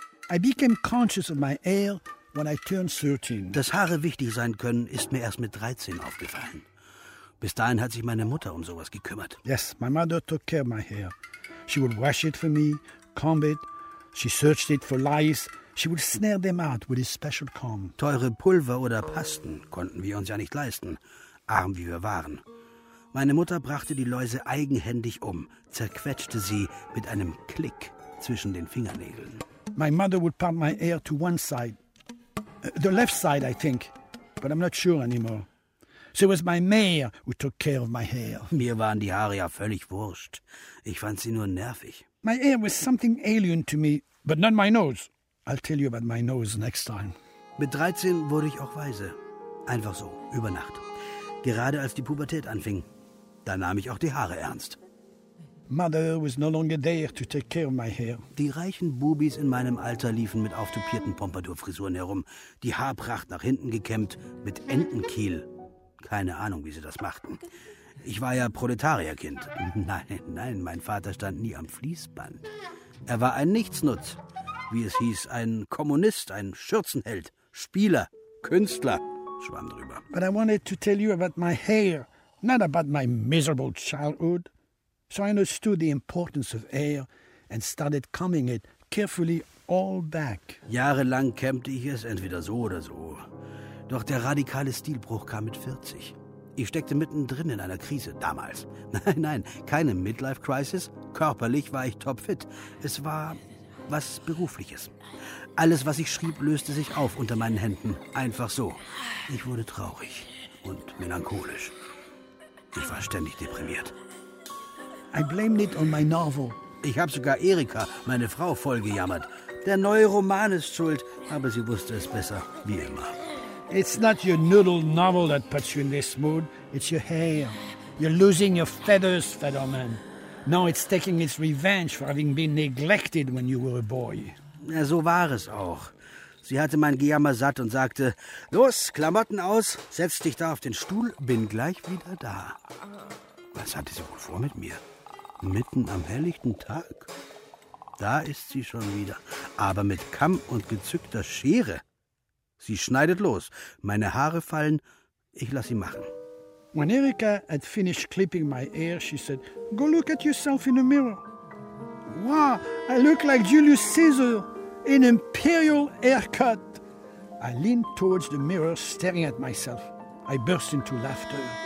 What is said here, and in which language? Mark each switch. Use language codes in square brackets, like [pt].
[en] I became conscious of my hair when I turned 13. [de] Dass Haare wichtig sein können, ist mir erst mit 13 aufgefallen. Bis dahin hat sich meine Mutter um sowas gekümmert. [en] Yes, my mother took care of my hair. She would wash it for me, comb it. She searched it for lice. She would snare them out with a special comb. [de] Teure Pulver oder Pasten konnten wir uns ja nicht leisten, arm wie wir waren. Meine Mutter brachte die Läuse eigenhändig um, zerquetschte sie mit einem Klick zwischen den Fingernägeln. [en] My mother would part my hair to one side. The left side, I think, but I'm not sure anymore. So it was my mare who took care of my hair. [de] Mir waren die Haare ja völlig wurscht. Ich fand sie nur nervig. [en] My hair was something alien to me, but not my nose. I'll tell you about my nose next time. [de] Mit 13 wurde ich auch weise. Einfach so, über Nacht. Gerade als die Pubertät anfing, da nahm ich auch die Haare ernst. [en] Mother was no longer there to take care of my hair. [de] Die reichen Bubis in meinem Alter liefen mit auftopierten Pompadour-Frisuren herum, die Haarpracht nach hinten gekämmt, mit Entenkiel. Keine Ahnung, wie sie das machten. Ich war ja Proletarierkind. Nein, nein, mein Vater stand nie am Fließband. Er war ein Nichtsnutz, wie es hieß, ein Kommunist, ein Schürzenheld, Spieler, Künstler, schwamm drüber. [en] But I wanted to tell you about my hair, not about my miserable childhood. So I understood the importance of hair and started combing it carefully all back. [de] Jahrelang kämmte ich es entweder so oder so. Doch der radikale Stilbruch kam mit 40. Ich steckte mittendrin in einer Krise damals. Nein, nein, keine Midlife-Crisis. Körperlich war ich topfit. Es war was Berufliches. Alles, was ich schrieb, löste sich auf unter meinen Händen. Einfach so. Ich wurde traurig und melancholisch. Ich war ständig deprimiert. [en] I blamed it on my novel. [de] Ich habe sogar Erika, meine Frau, vollgejammert. Der neue Roman ist schuld, aber sie wusste es besser, wie immer. [en] It's not your noodle novel that puts you in this mood. It's your hair. You're losing your feathers, Federman. Now it's taking its revenge for having been neglected when you were a boy. [de] Ja, so war es auch. Sie hatte mein Gejammer satt und sagte, los, Klamotten aus, setz dich da auf den Stuhl, bin gleich wieder da. Was hatte sie wohl vor mit mir? Mitten am helllichten Tag? Da ist sie schon wieder, aber mit Kamm und gezückter Schere. Sie schneidet los. Meine Haare fallen. Ich lasse sie machen. [en] When Erika had finished clipping my hair, she said, go look at yourself in the mirror. Wow, I look like Julius Caesar, an imperial haircut. I leaned towards the mirror, staring at myself. I burst into laughter.